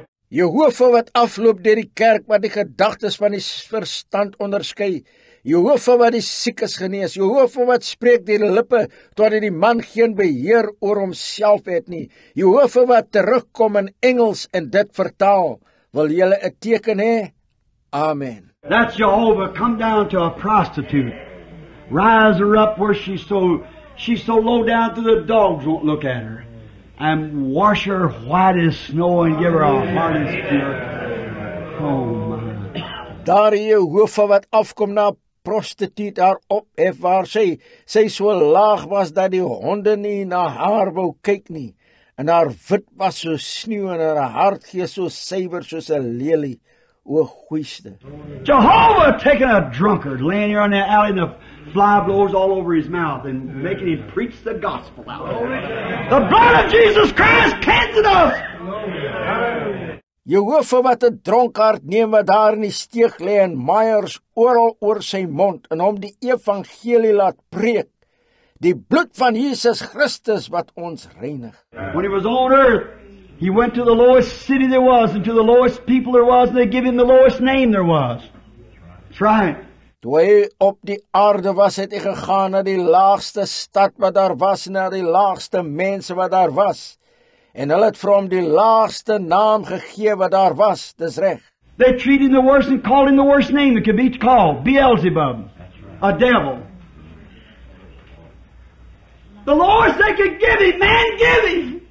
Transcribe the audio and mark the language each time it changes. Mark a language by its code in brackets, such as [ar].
[af] Jehovah wat afloop deur die kerk wat die gedagtes van die verstand onderskei. Jehovah wat die siekes genees, Jehovah wat spreek deur die lippe, tot hy die man geen beheer oor homself het nie. Jehovah wat terugkom in Engels en dit vertaal, wil julle 'n teken hê? Amen. [en] That's Jehovah come down to a prostitute. Rise her up where she's so low down to the dogs won't look at her. And wash her white as snow and give her a heart as pure. Oh my. [af] Daar Jehovah wat afkom na prostituut haar ophef waar sy so laag was dat die honde nie na haar wou kyk nie en haar wit was so sneeu en haar hart gee so suiwer soos 'n lelie. O goeiste. [en] Jehovah taking a drunkard laying here on the alley and the fly blows all over his mouth and making him preach the gospel out. The blood of Jesus Christ cleanses us. [af] Jehovah wat 'n dronkaard neem wat daar in die steeg lê en maaiers oral oor sy mond en hom die evangelie laat preek. Die bloed van Jesus Christus wat ons reinig. [en] When he was on earth, he went to the lowest city there was and to the lowest people there was and they gave him the lowest name there was. That's right. [af] Toe hy op die aarde was, het hy gegaan na die laagste stad wat daar was en na die laagste mense wat daar was. En hulle het vir hom die laagste naam gegee wat daar was, dis reg. [en] They treat him the worst and call him the worst name that could be called, Beelzebub, a devil. The lowest they could give him, man give him.